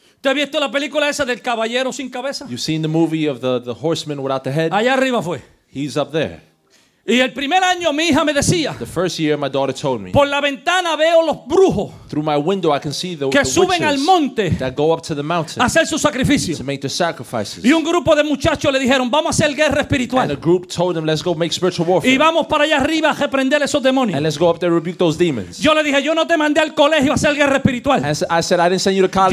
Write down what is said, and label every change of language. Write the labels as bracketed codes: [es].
[es] ¿Te has visto la película esa del caballero sin cabeza? [en] You've seen the movie of the horseman without the head? [es] Allá arriba fue. [en] He's up there. [es] Y el primer año mi hija me decía, [en] the first year my daughter told me, [es] por la ventana veo los brujos, [en] through my window I can see the, [es] que [en] the [es] suben al monte, [en] that go up to the mountain, [es] hacer sus sacrificios, [en] to make their sacrifices. [es] Y un grupo de muchachos le dijeron, vamos a hacer guerra espiritual. [en] And a group told them, let's go make spiritual warfare. [es] Y vamos para allá arriba a reprender esos demonios. [en] And let's go up there to rebuke those demons. [es] Yo le dije, yo no te mandé al colegio a hacer guerra espiritual. [en] And I said, I didn't send you to college